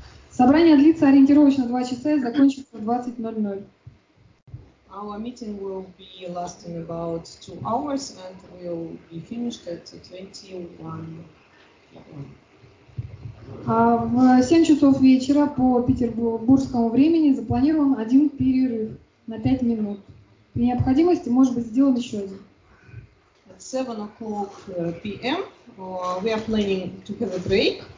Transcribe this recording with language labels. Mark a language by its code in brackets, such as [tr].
[ru] Собрание длится ориентировочно 2 часа и закончится в 20:00. [en] Our meeting will be lasting about 2 hours and will be finished at 21. [ru] В 7 часов вечера по петербургскому времени запланирован один перерыв на 5 минут. При необходимости может быть сделан еще один. [en] At 7 o'clock p.m. We are planning to have a break.